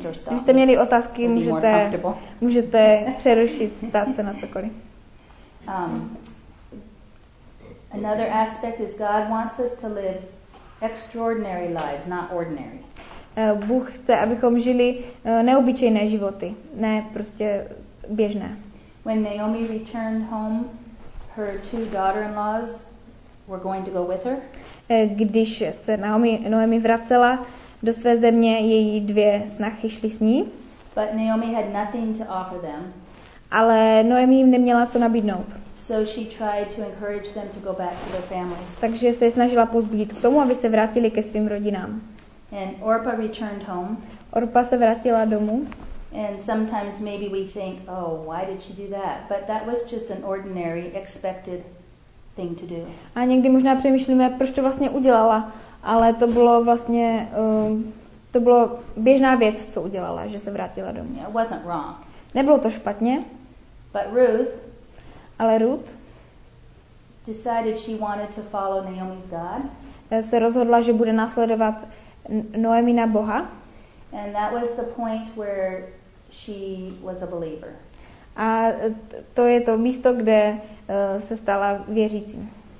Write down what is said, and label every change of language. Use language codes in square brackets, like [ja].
[cs] Když jste měli otázky, můžete přerušit, ptát se na cokoliv. [en] Another aspect is God wants us to live extraordinary lives, not ordinary. [cs] Bůh chce, abychom žili neobyčejné životy, ne prostě běžné. [en] When Naomi returned home, her two daughter-in-laws were going to go with her. [cs] Když se Naomi vracela do své země, její dvě snachy šly s ní. [en] But Naomi had nothing to offer them. [cs] Ale Naomi jim neměla co nabídnout. [en] So she tried to encourage them to go back to their families. [cs] Takže se snažila pozbudit k tomu, aby se vrátili ke svým rodinám. [en] And Orpa returned home. [cs] Orpa se vrátila domů. [en] And sometimes maybe we think, oh, why did she do that? But that was just an ordinary, expected thing to do. [cs] A někdy možná přemýšlíme, proč to vlastně udělala, ale to bylo vlastně to bylo běžná věc, co udělala, že se vrátila domů. [en] Yeah, it wasn't wrong. [cs] Nebylo to špatně. [en] But Ruth, [cs] ale Ruth [en] decided she wanted to follow Naomi's God. [cs] Se rozhodla, že bude následovat Noemina Boha. [en] And that was the point where she was a believer. [cs] A to je to místo, kde se stala věřícím.